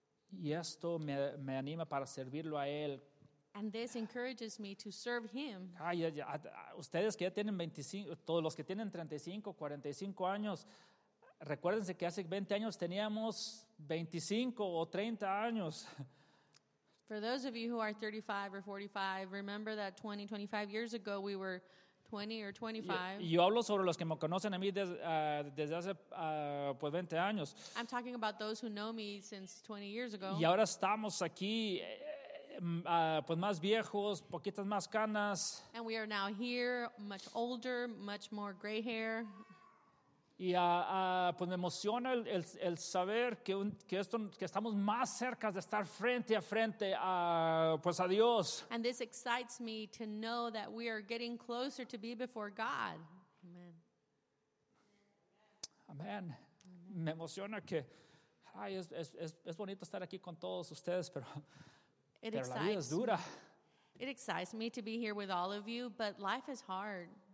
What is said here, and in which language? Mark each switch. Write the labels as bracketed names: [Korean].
[Spanish] Y esto me anima para servirlo a él. [English] And this encourages me to serve him. [Spanish] Ay, ya, ustedes que ya tienen 25, todos los que tienen 35, 45 años, recuérdense que hace 20 años teníamos 25 o 30 años. [English] For those of you who are 35 or 45, remember that 20, 25 years ago we were 20 or 25. [Spanish] Yo hablo sobre los que me conocen a mí desde hace pues 20 años. [English] I'm talking about those who know me since 20 years ago. [Spanish] Y ahora estamos aquí pues más viejos, poquitas más canas. [English] And we are now here, much older, much more gray hair. [Spanish] Y pues me emociona el saber que esto, que estamos más cerca de estar frente a frente a pues a Dios. [English] And this excites me to know that we are getting closer to be before God. Amen. Amen. [Spanish] Me emociona que es bonito estar aquí con todos ustedes, pero la vida es dura. [English] It excites me to be here with all of you, but life is hard.